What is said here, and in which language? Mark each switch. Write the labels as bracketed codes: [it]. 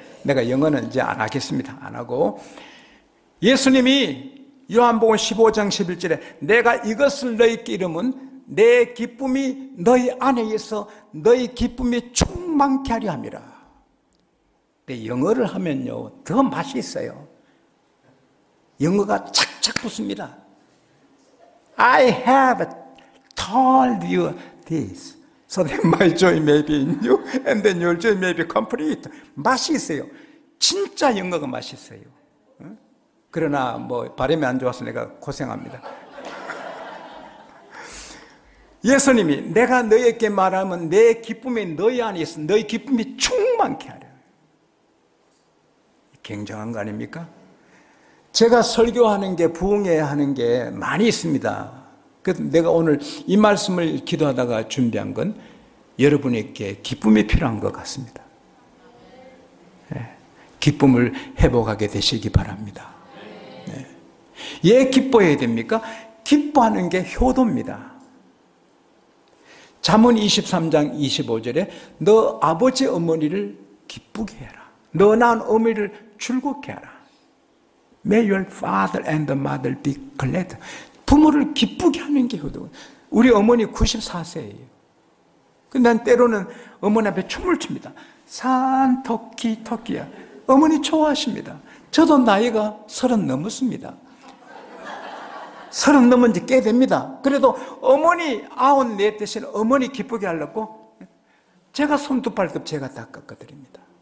[ko] 내가 영어는 이제 안 하겠습니다. 안 하고 예수님이 요한복음 15장 11절에 내가 이것을 너희께 이르면 내 기쁨이 너희 안에 있어 너희 기쁨이 충만케 하려 함이라. 근데 영어를 하면요 더 맛이 있어요. 영어가 착착 붙습니다. [en] I have told you this so that my joy may be in you and then your joy may be complete. [ko] 맛이 있어요. 진짜 영어가 맛이 있어요. 그러나 뭐 발음이 안 좋아서 내가 고생합니다. 예수님이 내가 너희에게 말하면 내 기쁨이 너희 안에 있어 너희 기쁨이 충만케 하려. 굉장한 거 아닙니까? 제가 설교하는 게 부흥해야 하는 게 많이 있습니다. 그래서 내가 오늘 이 말씀을 기도하다가 준비한 건 여러분에게 기쁨이 필요한 것 같습니다. 네. 기쁨을 회복하게 되시기 바랍니다. 네. 예, 기뻐해야 됩니까? 기뻐하는 게 효도입니다. 잠언 23장 25절에 너 아버지 어머니를 기쁘게 해라. 너 낳은 어미를 즐겁게 해라. [en] May your father and the mother be glad. [ko] 부모를 기쁘게 하는 게 효도. 우리 어머니 94세예요. 근데 난 때로는 어머니 앞에 춤을 춥니다. 산토끼 토끼야. 어머니 좋아하십니다. 저도 나이가 30 넘었습니다. 30 넘은 지 꽤 됩니다. 그래도 어머니 아홉 내 대신 어머니 기쁘게 하려고 제가 손두 발급 제가 다 깎아드립니다.